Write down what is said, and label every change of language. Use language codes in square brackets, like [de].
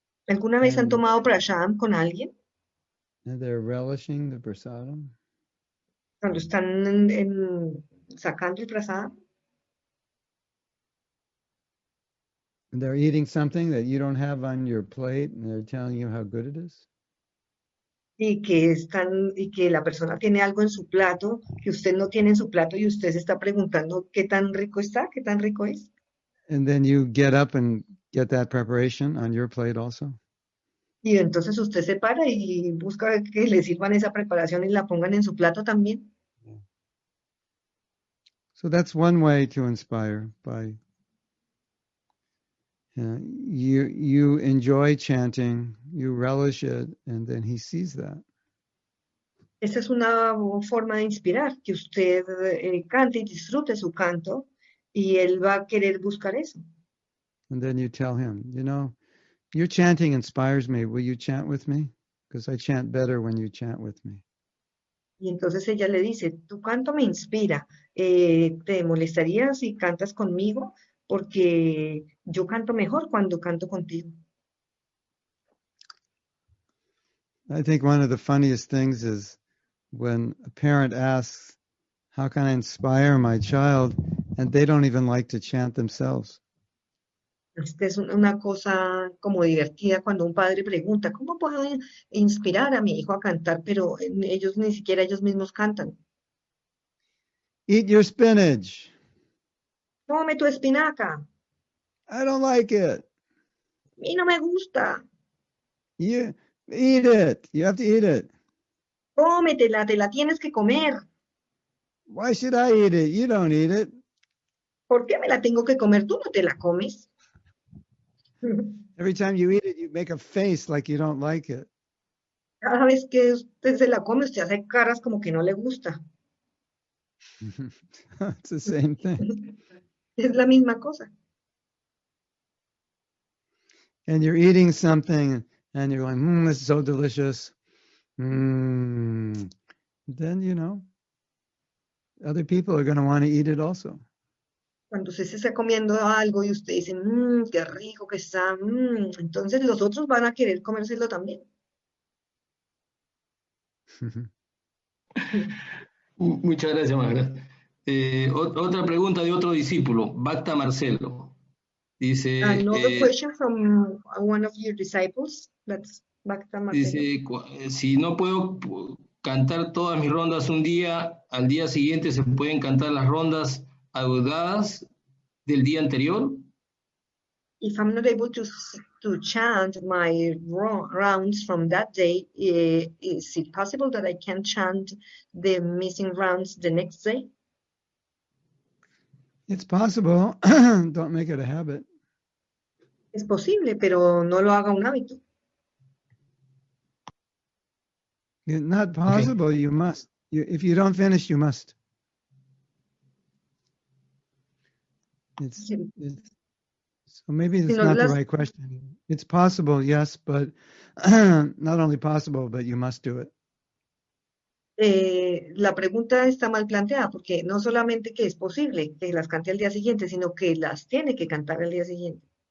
[es] ¿Alguna vez han tomado prasadam con alguien? [en] And they're relishing the prasadam? [es] Cuando están en sacando el prasadam. [en] They're eating something that you don't have on your plate and they're telling you how good it is. [es] Y que están y que la persona tiene algo en su plato que usted no tiene en su plato y usted se está preguntando qué tan rico está, qué tan rico es. [en] And then you get up and get that preparation on your plate also. [es] Y entonces usted se para y busca que le sirvan esa preparación y la pongan en su plato también. [en] So that's one way to inspire by you enjoy chanting, you relish it, and then he sees that. [es] Esa es una forma de inspirar, que usted cante y disfrute su canto, y él va a querer buscar eso. [en] And then you tell him, you know, your chanting inspires me, will you chant with me? Because I chant better when you chant with me. [es] Y entonces ella le dice, tu canto me inspira, ¿te molestaría si cantas conmigo? Porque yo canto mejor cuando canto contigo. [en] I think one of the funniest things is when a parent asks, how can I inspire my child? And they don't even like to chant themselves. [es] Esta es una cosa como divertida cuando un padre pregunta, ¿cómo puedo inspirar a mi hijo a cantar? Pero ellos ni siquiera ellos mismos cantan. [en] Eat your spinach. [es] Come tu espinaca. [en] I don't like it. [es] A mí no me gusta. [en] You eat it. You have to eat it. [es] Cómetela, te la tienes que comer. [en] Why should I eat it? You don't eat it. [es] ¿Por qué me la tengo que comer? Tú no te la comes. [en] Every time you eat it, you make a face like you don't like it. [es] Cada vez que usted se la come, usted hace caras como que no le gusta. [en] It's the same thing. [es] Es la misma cosa. [en] And you're eating something and you're going, mmm, this is so delicious. Then, you know, other people are going to want to eat it also. [es] Cuando usted se está comiendo algo y usted dice, mmm, qué rico que está, mmm, entonces los otros van a querer comérselo también. Muchas gracias, Magra. Otra pregunta de otro discípulo, Bhakta Marcelo. Dice, [en] another question from one of your disciples, that's Bhakta Marcelo. [es] Dice, si no puedo cantar todas mis rondas un día, al día siguiente se pueden cantar las rondas agudadas del día anterior. [en] If I'm not able to chant my rounds from that day, is it possible that I can chant the missing rounds the next day? It's possible. Don't make it a habit. [es] Es posible, pero no lo haga un hábito. [en] It's not possible. Okay. You must. If you don't finish, you must. So maybe it's not the right question. It's possible, yes, but not only possible, but you must do it. [es] La pregunta está mal planteada porque no solamente que es posible que las cante al día siguiente, sino que las tiene que cantar al día siguiente.